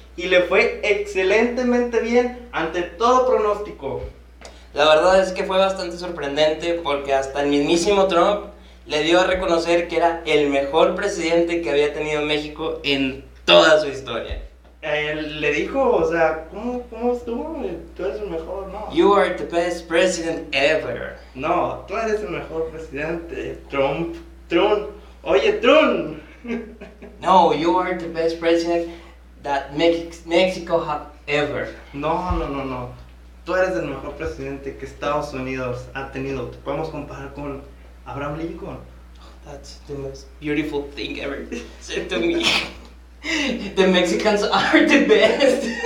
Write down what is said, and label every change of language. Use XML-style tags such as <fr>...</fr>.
<es>Y le fue excelentemente bien ante todo pronóstico. La verdad es que fue bastante sorprendente porque hasta el mismísimo Trump le dio a reconocer que era el mejor presidente que había tenido México en toda su historia. Él le dijo, o sea, ¿cómo estuvo? Tú eres el mejor, ¿no?</es> <en>You are the best president ever.</en> <es>No, tú eres el mejor presidente, Trump. Trump. Oye, Trump.</es> <en>No, you are the best president that Mexico have ever.</en> <es>No. Tú eres el mejor presidente que Estados Unidos ha tenido. Te podemos comparar con Abraham Lincoln.</es> <en>Oh, that's the most beautiful thing ever said to me. The Mexicans are the best.</en>